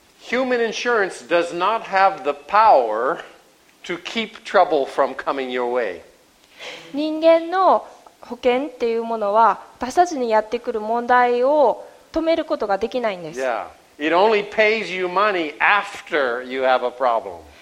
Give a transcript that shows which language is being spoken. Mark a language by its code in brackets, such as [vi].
[en] Human insurance does not have the power to keep trouble from coming your way. [ja] 人間の保険っていうものは、私たちにやってくる問題を止めることができないんです。 [en] Yeah. It only pays you money after you have a problem.